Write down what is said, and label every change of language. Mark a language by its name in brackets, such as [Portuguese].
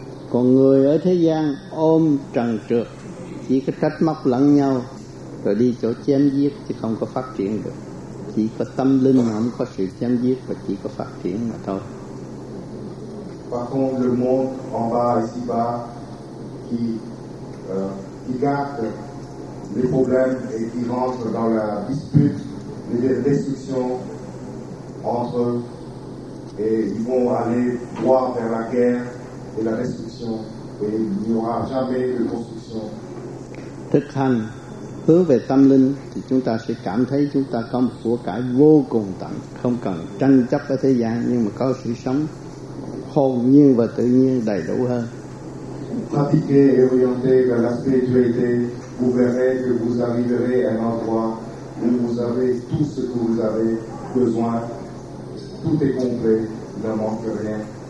[Vietnamese] Còn người ở thế gian ôm trần trược, chỉ có trách móc lẫn nhau rồi đi chỗ chém giết chứ không có phát triển được. Chỉ có tâm linh mà không có sự chém giết và chỉ có phát triển mà thôi. [French] Par contre, le monde en bas ici bas qui garde les problèmes et qui rentre dans la dispute, les destructions entre eux, et ils vont aller droit vers la guerre et la destruction, et il n'y aura jamais de construction. [Vietnamese] Thực hành hướng về tâm linh thì chúng ta sẽ cảm thấy chúng ta có một của cải vô cùng tận, không cần tranh chấp ở thế gian, nhưng mà có sự sống hồn nhiên và tự nhiên đầy đủ hơn. [French] Pratiquez et orientez vers la spiritualité, vous verrez que vous arriverez à un endroit où vous avez tout ce que vous avez besoin, tout est complet, il ne manque rien.